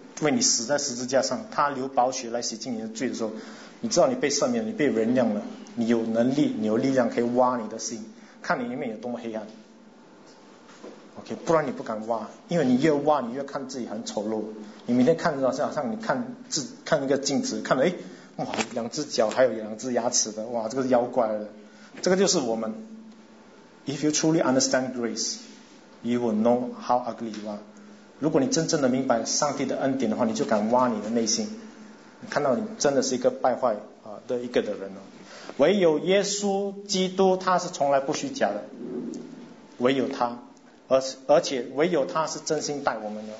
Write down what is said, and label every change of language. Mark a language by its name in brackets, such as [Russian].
[Chinese] 为你死在十字架上，他流宝血来洗净你的罪的时候，你知道你被赦免了，你被原谅了，你有能力，你有力量可以挖你的心，看你里面有多么黑暗。 OK， 不然你不敢挖，因为你越挖，你越看自己很丑陋。你明天看着好像你看自看一个镜子，看了哎，哇，两只脚还有两只牙齿的，哇，这个是妖怪了。这个就是我们。 [English] If you truly understand grace, you will know how ugly you are. [Chinese] 如果你真正的明白上帝的恩典的话，你就敢挖你的内心，看到你真的是一个败坏的一个的人了。唯有耶稣基督，他是从来不虚假的，唯有他，而且唯有他是真心待我们的。